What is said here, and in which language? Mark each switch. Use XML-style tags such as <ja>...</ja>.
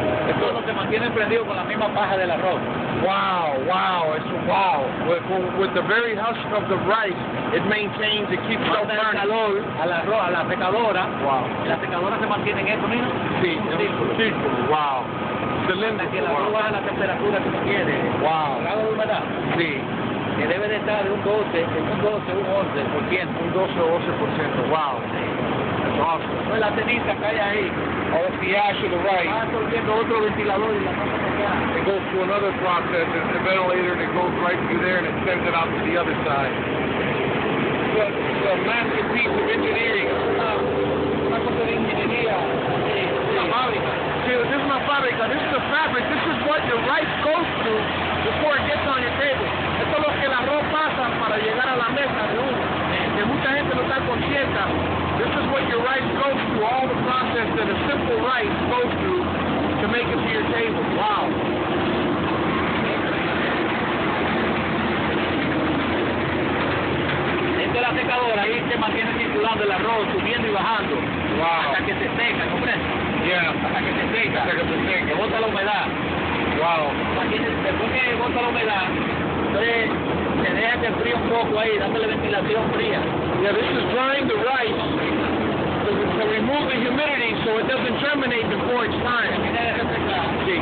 <es>Esto es lo que mantiene prendido con la misma paja del arroz. Wow.</es> <en>With the very husk of the rice, it maintains, it keeps up burning.</en> <es>Calor al arroz, a la secadora. Wow. La secadora se mantiene en esto, ¿no? Sí, sí. Wow. Cilindro. Que el arroz baja la temperatura que se quiere. Wow. Grado de humedad. Sí. Que debe de estar un</es> <en>12% Wow. Awesome.</en> <es>La ceniza cae ahí.</es> <en>Oh, it's the ash of the rice.</en> <es>Otro ventilador y la pasa.</es> <en>It goes to another process, it's a ventilator, and it goes right through there and it sends it out to the other side. It's a massive piece of engineering.</en> <es>Una cosa de ingeniería. Una fábrica.</es> <en>See, this is my fábrica. This is the fabric. This is what your rice goes through before it gets on your table.</en> <es>Esto es lo que el arroz pasa para llegar a la mesa de uno. Que mucha gente no está consciente.</es> <en>This is what your rice goes through, all the process that a simple rice goes through to make it to your table. Wow.</en> <es>Esta es la secadora, ahí se mantiene circulando el arroz, subiendo y bajando. Wow. Hasta que se seca, ¿comprendes?</es> <en>Yeah.</en> <es>Hasta que se seca. Hasta que se seca. Que bota la humedad. Wow. Después que bota la humedad, se deja que fríe un poco ahí, dándole ventilación fría.</es> <en>Yeah, this is drying the rice. To remove the humidity so it doesn't germinate before it's time.</en>